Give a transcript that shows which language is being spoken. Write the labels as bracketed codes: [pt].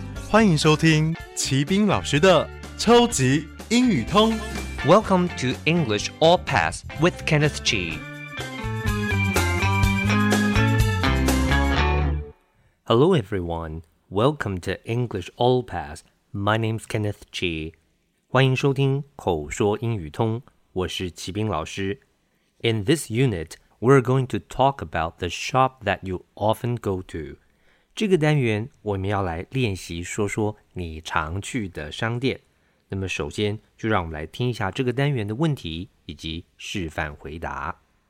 [zh] 欢迎收听齐宾老师的超级英语通。 [en] Welcome to English All Pass with Kenneth G. Hello, everyone. Welcome to English All Pass. My name's Kenneth G. [zh] 欢迎收听口说英语通。我是齐宾老师。 [en] In this unit, we're going to talk about the shop that you often go to. [zh] 这个单元我们要来练习说说你常去的商店。那么首先就让我们来听一下这个单元的问题以及示范回答。